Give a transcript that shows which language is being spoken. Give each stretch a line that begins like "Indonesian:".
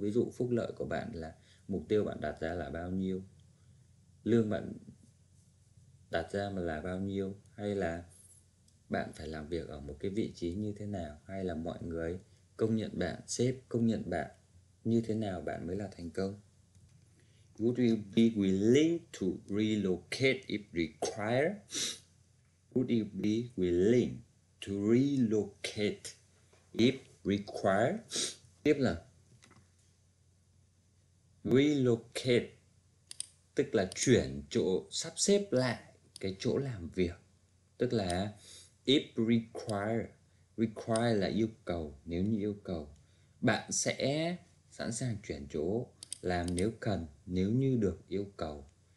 Vietnamese: Ví dụ phúc lợi của bạn là mục tiêu bạn đặt ra là bao nhiêu, lương bạn đặt ra mà là bao nhiêu, hay là bạn phải làm việc ở một cái vị trí như thế nào, hay là mọi người công nhận bạn, sếp công nhận bạn như thế nào, bạn mới là thành công.
English: Would you be willing to relocate if required? Would you be willing to relocate if require?
Vietnamese: Tiếp là relocate, tức là chuyển chỗ, sắp xếp lại cái chỗ làm việc, tức là
English: if require.
Vietnamese: Require là yêu cầu, nếu như yêu cầu bạn sẽ sẵn sàng chuyển chỗ làm nếu cần, nếu như được yêu cầu.